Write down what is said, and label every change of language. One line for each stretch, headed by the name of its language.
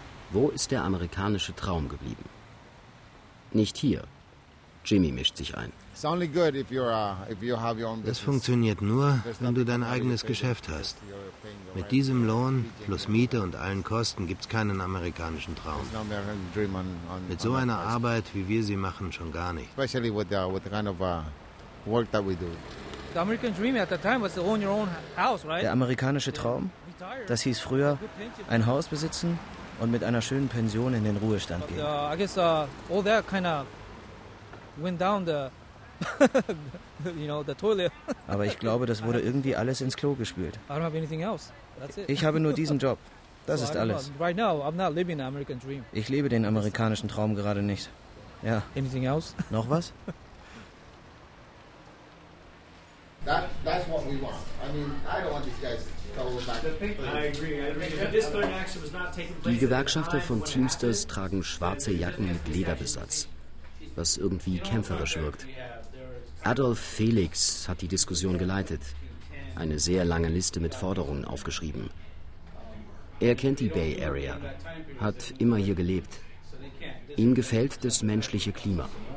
German: Wo ist der amerikanische Traum geblieben? Nicht hier. Jimmy mischt sich ein. Das funktioniert nur, wenn du dein eigenes Geschäft hast. Mit diesem Lohn plus Miete und allen Kosten gibt's keinen amerikanischen Traum. Mit so einer Arbeit, wie wir sie machen, schon gar nicht.
English: Especially with the kind of work that we do.
German: Der amerikanische Traum? Das hieß früher, ein Haus besitzen und mit einer schönen Pension in den Ruhestand gehen.
English: I guess all that kind of went down the the toilet.
German: Aber ich glaube, das wurde irgendwie alles ins Klo gespült.
English: I don't have anything else.
German: Ich habe nur diesen Job. Das ist alles.
English: Right now, I'm not living the American dream.
German: Ich lebe den amerikanischen Traum gerade nicht. Ja.
English: Anything else?
German: Noch was?
English: That's what we want. I mean, I don't want these guys to go back.
German: Die Gewerkschafter von Teamsters tragen schwarze Jacken mit Lederbesatz, was irgendwie kämpferisch wirkt. Adolf Felix hat die Diskussion geleitet, eine sehr lange Liste mit Forderungen aufgeschrieben. Er kennt die Bay Area, hat immer hier gelebt. Ihm gefällt das menschliche Klima.